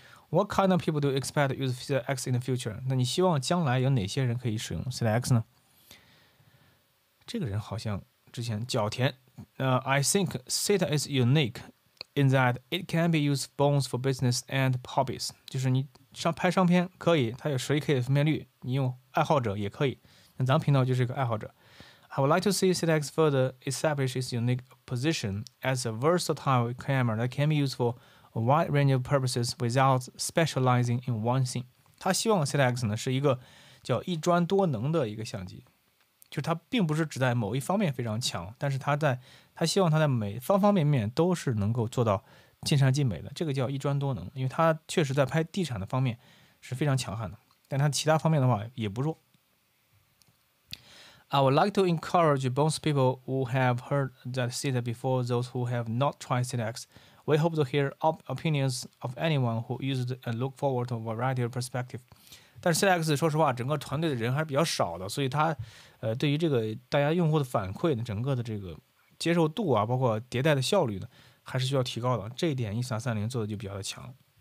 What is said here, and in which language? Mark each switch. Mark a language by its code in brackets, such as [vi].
[en] What kind of people do you expect to use THETA X in the future? [zh] 那你希望将来有哪些人可以使用 THETA X 呢？这个人好像之前角田。 [en] I think THETA is unique in that it can be used both for business and hobbies. [zh] 就是你上拍商片可以，它有10K 的分辨率，你用爱好者也可以。那咱们频道就是一个爱好者。 [en] I would like to see THETA X further establish its unique position as a versatile camera that can be used for a wide range of purposes without specializing in one thing. [zh] 他希望 THETA X 呢是一个叫一专多能的一个相机，就是它并不是只在某一方面非常强，但是他希望它在每方方面面都是能够做到尽善尽美的，这个叫一专多能，因为它确实在拍地产的方面是非常强悍的，但它其他方面的话也不弱。 [en] I would like to encourage both people who have heard that THETA before those who have not tried THETA X. We hope to hear opinions of anyone who used and look forward to a variety of perspective. [zh] 但是 THETA X 说实话整个团队的人还是比较少的，所以它对于这个大家用户的反馈呢，整个的这个接受度啊，包括迭代的效率呢，还是需要提高的，这一点1330做的就比较的强。